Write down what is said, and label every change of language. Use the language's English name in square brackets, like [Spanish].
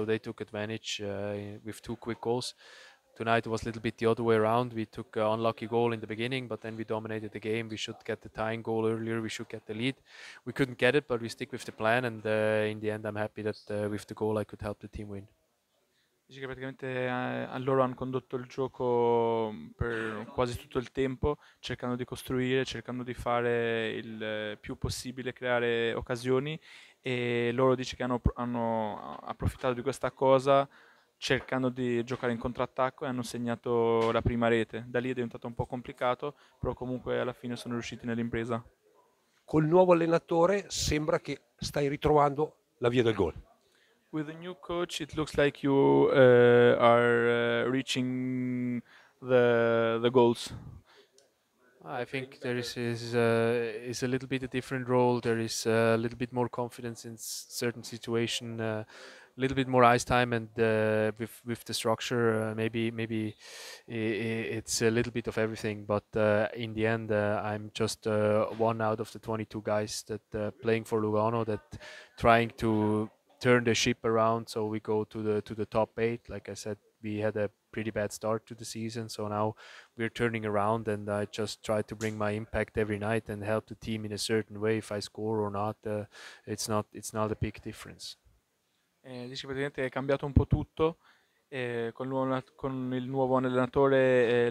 [English] So they took advantage with two quick goals. Tonight it was a little bit the other way around. We took an unlucky goal in the beginning, but then we dominated the game. We should get the tying goal earlier. We should get the lead. We couldn't get it, but we stick with the plan. And in the end, I'm happy that with the goal I could help the team win. [Italian] Dice che praticamente loro hanno condotto il gioco per quasi tutto il tempo, cercando di costruire, cercando di fare il più possibile, creare occasioni, e loro dice che hanno approfittato di questa cosa cercando di giocare in contrattacco e hanno segnato la prima rete. Da lì è diventato un po' complicato, però comunque alla fine sono riusciti nell'impresa. Col nuovo allenatore sembra che stai ritrovando la via del gol. [English] With a new coach, it looks like you are reaching the goals. I think there is a little bit a different role. There is a little bit more confidence in certain situation, a little bit more ice time, and with the structure, maybe it's a little bit of everything. But in the end, I'm just one out of the 22 guys that playing for Lugano that trying to turn the ship around, so we go to the top eight. Like I said, we had a pretty bad start to the season, so now we're turning around, and I just try to bring my impact every night and help the team in a certain way. If I score or not, it's not a big difference. [Italian] Dice che praticamente è cambiato un po' tutto con il nuovo allenatore.